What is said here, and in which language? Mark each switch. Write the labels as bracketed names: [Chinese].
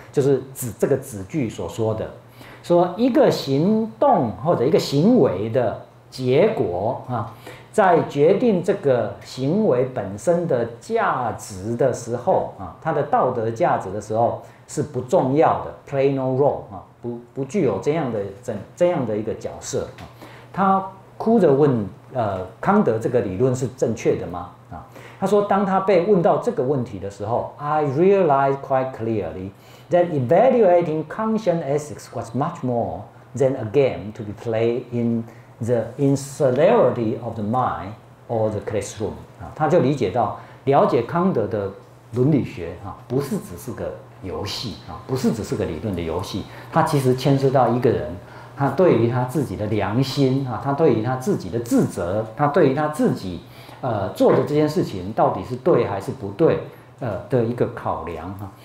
[Chinese] 就是指这个子句所说的，说一个行动或者一个行为的结果、啊、在决定这个行为本身的价值的时候、啊、它的道德价值的时候是不重要的 [English] play no role、 [Chinese] 啊、不具有这样的一个角色、啊、他哭着问康德这个理论是正确的吗？他说当他被问到这个问题的时候 [English] I realized quite clearly that evaluating conscient ethics was much more than a game to be played in the insularity of the mind or the classroom。 [Chinese] 他就理解到了解康德的伦理学不是只是个游戏，不是只是个理论的游戏，他其实牵涉到一个人，他对于他自己的良心，他对于他自己的自责，他对于他自己做的这件事情到底是对还是不对的一个考量哈。